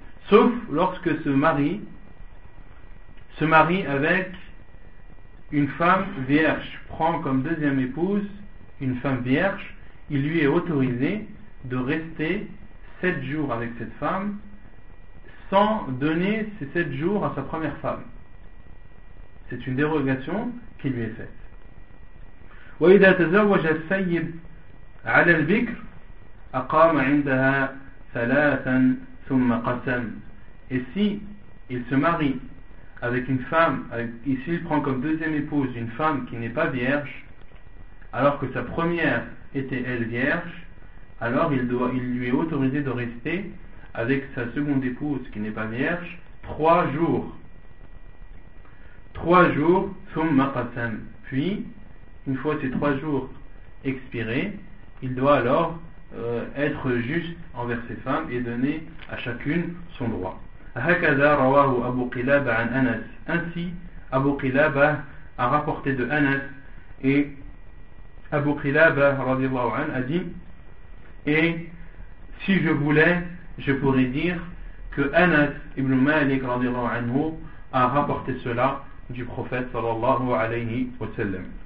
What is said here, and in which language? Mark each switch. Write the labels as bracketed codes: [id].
[fr] Sauf lorsque se marie avec une femme vierge, prend comme deuxième épouse une femme vierge, il lui est autorisé de rester 7 jours avec cette femme sans donner ces 7 jours à sa première femme. C'est une dérogation qui lui est faite. [ar] وإذا تزوج السيد على البكر أقام عندها ثلاثا ثم قسم. [fr] Et si il se marie avec une femme, et s'il prend comme deuxième épouse une femme qui n'est pas vierge, alors que sa première était elle vierge, alors il lui est autorisé de rester avec sa seconde épouse qui n'est pas vierge 3 jours. 3 jours, [ar] thumma qasam. [fr] Puis, une fois ces 3 jours expirés, il doit alors être juste envers ses femmes et donner à chacune son droit. [ar] هكذا رواه أبو قلابة عن أنس. [fr] Ainsi أبو قلابة a rapporté de Anas. Et أبو قلابة [ar] رضي الله عنه [fr] a dit: et si je voulais, je pourrais dire que Anas ibn Malik رضي الله عنه a rapporté cela du prophète sallallahu alayhi wa sallam.